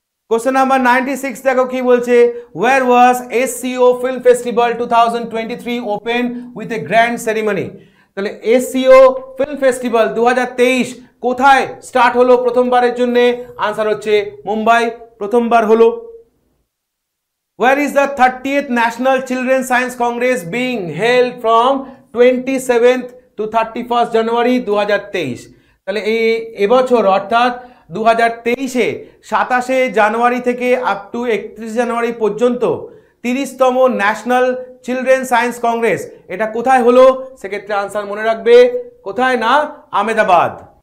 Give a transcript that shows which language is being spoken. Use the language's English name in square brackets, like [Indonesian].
[English] question number 96 [Bangla] দেখো কি বলছে, [English] Where was SCO film festival 2023 open with a grand ceremony. [Bangla] তাহলে SCO ফিল্ম ফেস্টিভ্যাল 2023 কোথায় স্টার্ট হলো প্রথমবারের জন্য, আনসার হচ্ছে মুম্বাই, প্রথমবার হলো। [English] Where is the 30th National Children's Science Congress being held from 27th to 31st January 2023? [Bangla] তাহলে এই এবছর অর্থাৎ 2023-এ 27 জানুয়ারি থেকে আপ টু 31 জানুয়ারি পর্যন্ত 30তম ন্যাশনাল চিলড্রেন সায়েন্স কংগ্রেস এটা কোথায় হলো, সেক্ষেত্রে আনসার মনে রাখবে কোথায় না আহমেদাবাদ।